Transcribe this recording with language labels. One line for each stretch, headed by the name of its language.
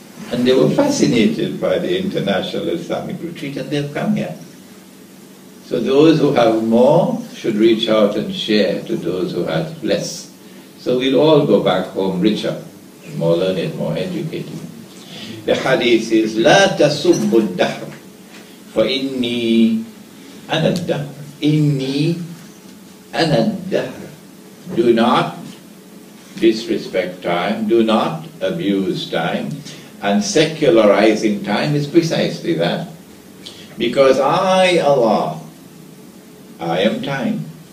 English: And they were fascinated by the International Islamic Retreat and they've come here. So those who have more should reach out and share to those who have less. So we'll all go back home richer, more learned, more educated. The hadith is,
Arabic: لا تسبوا الدهر فإني أنا الدهر إني أنا الدهر.
English: Do not disrespect time, do not abuse time, and secularizing time is precisely that. Because I, Allah, I am time.